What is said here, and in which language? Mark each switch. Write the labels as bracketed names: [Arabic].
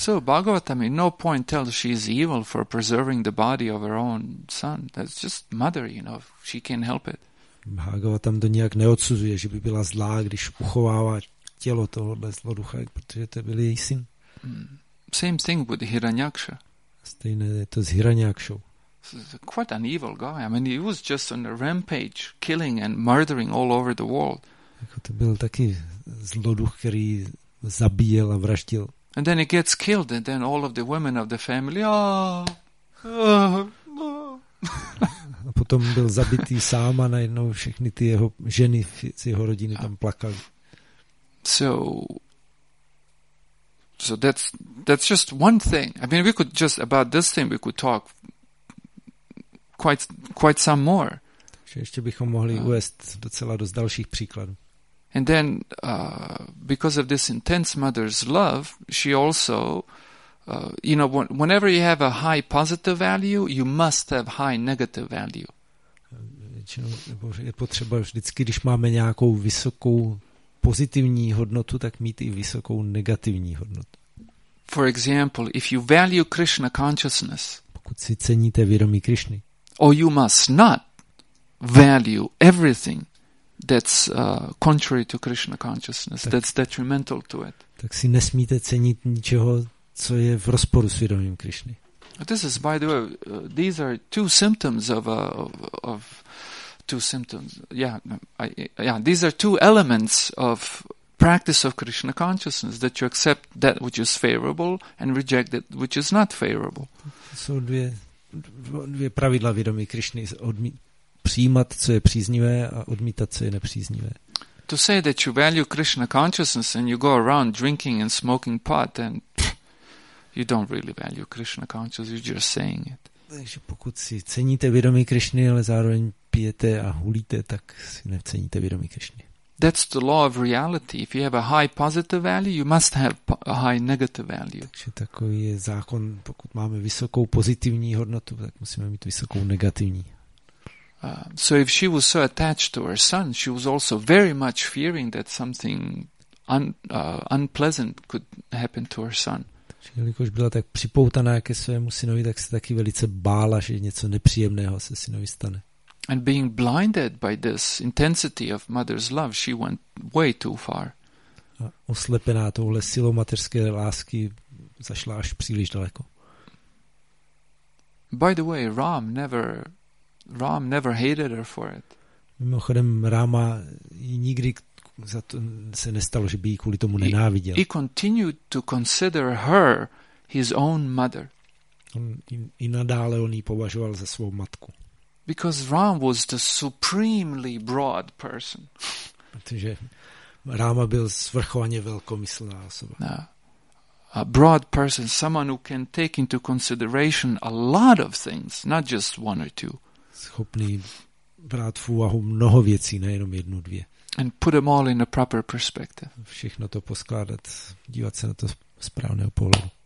[English] So Bhagavatam in no point tells she is evil for preserving the body of her own son. That's just mother, you know, she can't help it. [Czech] Bhagavatam to nijak neodsuzuje, že by byla zlá, když uchovává tělo tohohle zloducha, protože to byl její syn. [English] Same thing with Hiranyaksha. [Czech] Stejné je to s Hiranyakšou. [English] Quite an evil guy. I mean, he was just on a rampage, killing and murdering all over the world. [Czech] Jako to byl taky zloduch, který zabíjel a vraždil. [English] And then he gets killed, and then all of the women of the family, [Czech] A potom byl zabitý sám a najednou všechny ty jeho ženy z jeho rodiny tam plakali. [English] So that's just one thing. I mean, we could just about this thing, we could talk quite some more. [Czech] Takže ještě bychom mohli uvést docela dost dalších příkladů. [English] And then because of this intense mother's love, she also you know, whenever you have a high positive value, you must have high negative value. [Czech] Většinou je potřeba vždycky, když máme nějakou vysokou pozitivní hodnotu, tak mít i vysokou negativní hodnotu. [English] For example, if you value Krishna consciousness, [Czech] pokud si ceníte vědomí Krišny, [English] or you must not, value everything that's contrary to Krishna consciousness, tak, that's detrimental to it. [Czech] Tak si nesmíte cenit ničeho, co je v rozporu s vědomím Krišny. [English] This is, by the way, these are two symptoms of two symptoms. These are two elements of practice of Krishna consciousness, that you accept that which is favorable and reject that which is not favorable. [Czech] Jsou dvě pravidla vědomí Krišny, přijímat, co je příznivé, a odmítat, co je nepříznivé. [English] To say that you value Krishna consciousness and you go around drinking and smoking pot, and you don't really value Krishna consciousness, you're just saying it. [Czech] Takže pokud si ceníte vědomí Krišny, ale zároveň pijete a hulíte, tak si neceníte vědomí Krišny. [English] That's the law of reality. If you have a high positive value, you must have a high negative value. [Czech] Takže takový je zákon, pokud máme vysokou pozitivní hodnotu, tak musíme mít vysokou negativní. [English] So if she was so attached to her son, she was also very much fearing that something unpleasant could happen to her son. [Czech] Jelikož byla tak připoutaná ke svému synovi, tak se taky velice bála, že něco nepříjemného se synovi stane. [English] And being blinded by this intensity of mother's love, she went way too far. [Czech] A oslepená touhle silou mateřské lásky zašla až příliš daleko. [English] By the way, Ram never hated her for it. [Czech] Mimochodem, Rama nikdy za to se nestalo, že by jí kvůli tomu nenáviděl. [English] He continued to consider her his own mother. [Czech] I nadále on ji považoval za svou matku. [English] Because Ram was the supremely broad person. [Czech] Protože Rama byl svrchovaně velkomyslná osoba. [English] No. A broad person, someone who can take into consideration a lot of things, not just one or two. [Czech] Schopný brát v úvahu mnoho věcí, nejenom jednu, dvě. [English] And put them all in a proper perspective. [Czech] Všechno to poskládat, dívat se na to správného pohledu.